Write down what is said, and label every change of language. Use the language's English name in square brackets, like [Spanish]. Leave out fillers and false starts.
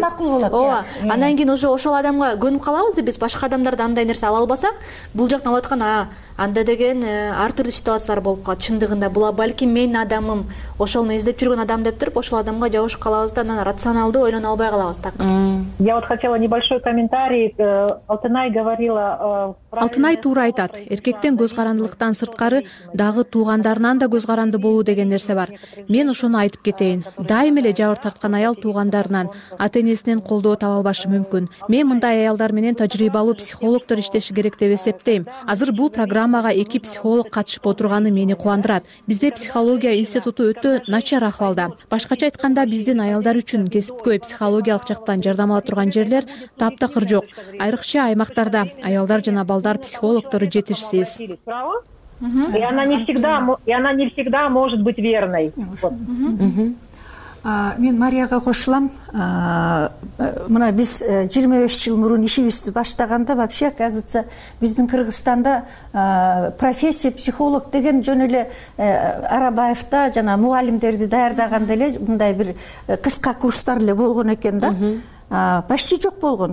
[Kyrgyz] макул болот. Ооба, андан кийин ошо ошол адамга көнүп калабыз да, биз башка адамдарды андай нерсе ала албасак, бул жактан алып аткан анда деген ар түрдүү ситуациялар болуп калат. Чындыгында бул балким менин адамым, ошол мен издеп жүргөн адам деп туруп, ошол адамга жабышып калабыз да, анан рационалдуу ойлоно албай калабыз. [Russian] Я вот хотела небольшой комментарий. Алтынай говорила. [Kyrgyz] Алтынай туура айтат. Эркектен көз карандылыктан сырткары дагы туугандарынан да көз каранды болуу деген нерсе бар. Мен ошону айтып кетейин. Дайым эле жабыр тарткан аял туугандарынан, ата-энесинен колдоо таба албашы мүмкүн. Мен мындай аялдар менен тажрыйбалуу психологдор иштеши керек деп эсептейм. Азыр бул программага 2 психолог катышып отурганы мени кубандырат. Бизде психология институту өтө начар ахвалда. Башкача айтканда, биздин аялдар үчүн кесипкөй психология жактан жардам ала турган жерлер таптакыр жок. Айрыкча аймактарда аялдар жана балдар психологдору жетишсиз. [Russian] И она не всегда может быть верной. [Kyrgyz] Мен Марияга кошулам. Мына биз 25 жыл мурун ишибизди баштаганда [Russian] вообще, оказывается, [Kyrgyz] биздин Кыргызстанда профессия психолог деген жөн эле Арабаевда жана мугалимдерди даярдаганда эле мындай бир кыска курстар эле болгон экен да. Почти жок болгон.